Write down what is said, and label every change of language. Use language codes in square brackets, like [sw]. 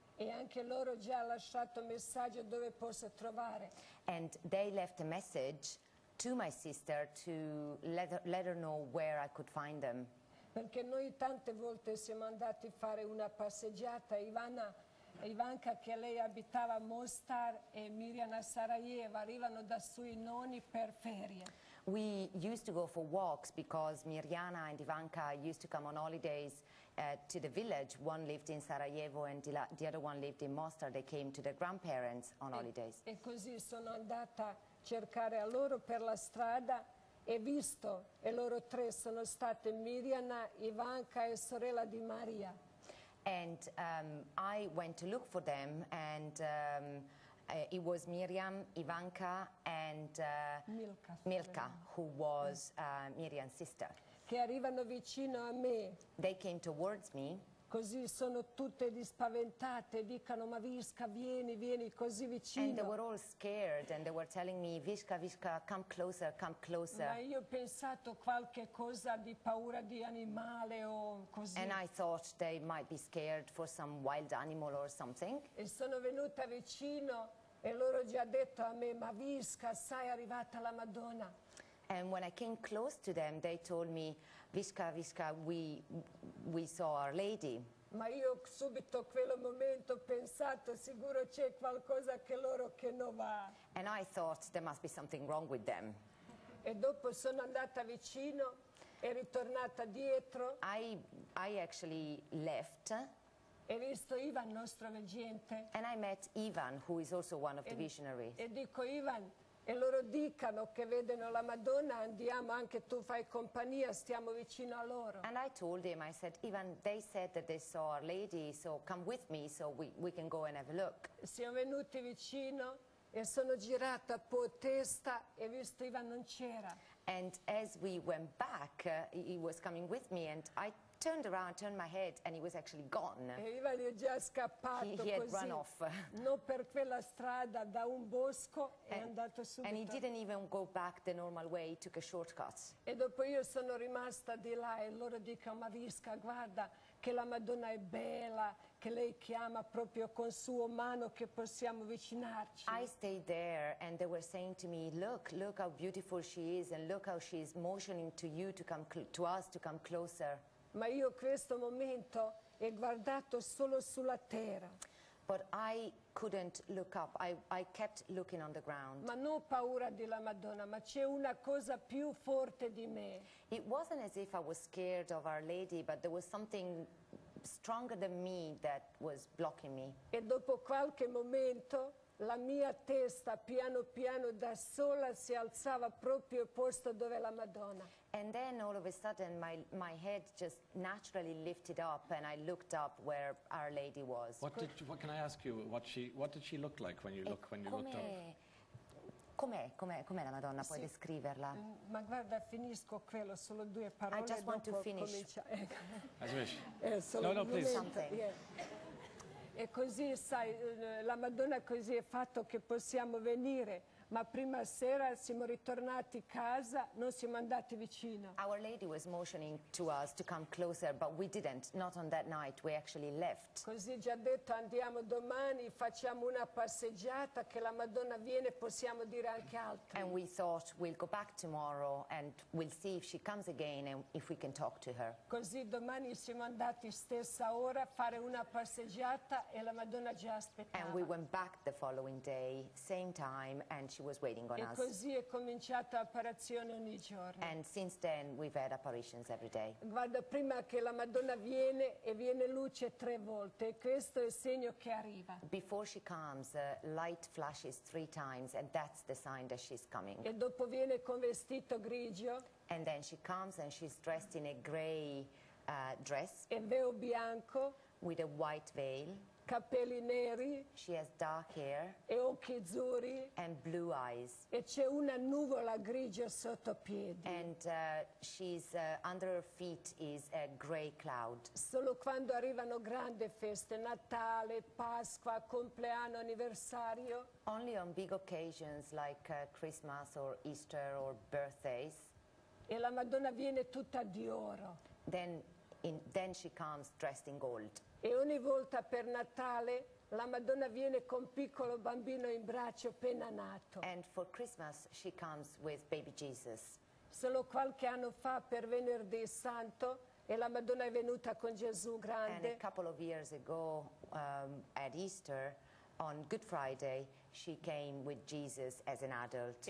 [it] E anche loro già ha lasciato messaggio dove posso trovare. [en] And they left a message to my sister to let her know where I could find them. [it] Perché noi tante volte siamo andati a fare una passeggiata, Ivanka, che lei abitava a Mostar, e Mirjana Sarajevo arrivano da sui nonni per ferie. [en] We used to go for walks because Mirjana and Ivanka used to come on holidays to the village. One lived in Sarajevo and the other one lived in Mostar. They came to their grandparents on holidays. [it] E così sono andata a cercare a loro per la strada e visto, e loro tre sono state Mirjana, Ivanka e sorella di Maria. [en] And I went to look for them, and it was Miriam, Ivanka, and Milka, who was Miriam's sister. [it] Che arrivano vicino a me. [en] They came towards me. [it] Così sono tutte dispaventate, dicono, ma Vicka, vieni, vieni, così vicino. [en] And they were all scared, and they were telling me, Vicka, Vicka, come closer, come closer. [it] Ma io ho pensato qualche cosa di paura di animale o così. [en] And I thought they might be scared for some wild animal or something. [it] E sono venuta vicino, e loro già detto a me, ma Vicka, sai, è arrivata la Madonna. [en] And when I came close to them, they told me, Vicka, Vicka, we saw Our Lady. [it] Ma io subito quel momento ho pensato, sicuro c'è qualcosa che loro che non va. [en] And I thought there must be something wrong with them. [it] E dopo sono andata vicino e ritornata dietro. [en] I actually left. [it] E visto Ivan, nostro veggente. [en] And I met Ivan, who is also one of the visionaries. [it] E dico, Ivan, e loro dicano che vedono la Madonna, andiamo, anche tu fai compagnia, stiamo vicino a loro. [en] And I told him, I said, Ivan, they said that they saw Our Lady, so come with me, so we can go and have a look. [it] Siamo venuti vicino e sono girata a po' testa e visto Ivan non c'era. [en] And as we went back, he was coming with me and I turned around, turned my head, and he was actually gone. [it] E Ivan è già scappato. [en] He had [it] così [en] run off. [it] Non per quella strada, da un bosco, and è andato subito. [en] And he didn't even go back the normal way, he took a shortcut. [it] E dopo io sono rimasta di là e loro dicono, ma Vicka, guarda che la Madonna è bella, che lei chiama proprio con suo mano, che possiamo avvicinarci. [en] I stayed there and they were saying to me, look, look how beautiful she is and look how she's motioning to you to come to us, to come closer. [it] Ma io questo momento ho guardato solo sulla terra. [en] But I couldn't look up. I kept looking on the ground. Ma non ho paura della Madonna, ma c'è una cosa più forte di me. It wasn't as if I was scared of Our Lady, but there was something stronger than me that was blocking me. E dopo qualche momento la mia testa piano piano da sola si alzava proprio al posto dove la Madonna. And then all of a sudden my head just naturally lifted up and I looked up where Our Lady was. What did she look like when you looked up? [it] Com'è la Madonna? Puoi descriverla? Ma guarda, finisco quello, solo due parole. [en] I just want to finish. As wish. No, please. Something. [it] E così, sai, la Madonna così è fatto che possiamo venire, ma prima sera siamo ritornati a casa, non siamo andati vicino. [en] Our Lady was motioning to us to come closer, but we didn't, not on that night, we actually left. [it] Così già detto, andiamo domani, facciamo una passeggiata, che la Madonna viene, possiamo dire anche altro. [en] And we thought, we'll go back tomorrow and we'll see if she comes again and if we can talk to her. [it] Così domani siamo andati stessa ora a fare una passeggiata e la Madonna già aspettava. [en] And we went back the following day, same time, and she was waiting on e us. [it] Così è cominciata apparizione ogni giorno. [en] And since then we've had apparitions every day. [it] Guarda, prima che la Madonna viene e viene luce tre volte, e questo è il segno che arriva. [en] Before she comes, light flashes three times, and that's the sign that she's coming. [it] E dopo viene con vestito grigio. [en] And then she comes and she's dressed in a grey dress. [it] E veo bianco. [en] With a white veil. [it] Capelli neri. [en] She has dark hair. [it] E occhi azzurri. [en] And blue eyes. [it] E c'è una nuvola grigia sotto piedi. [en] And she's under her feet is a grey cloud. [it] Solo quando arrivano grandi feste, Natale, Pasqua, compleanno, anniversario. [en] Only on big occasions like Christmas or Easter or birthdays. [it] E la Madonna viene tutta di oro. [en] Then she comes dressed in gold. [it] E ogni volta per Natale la Madonna viene con piccolo bambino in braccio appena nato. [en] And for Christmas she comes with baby Jesus. [it] Solo qualche anno fa per Venerdì Santo e la Madonna è venuta con Gesù grande. [en] And a couple of years ago at Easter on Good Friday she came with Jesus as an adult.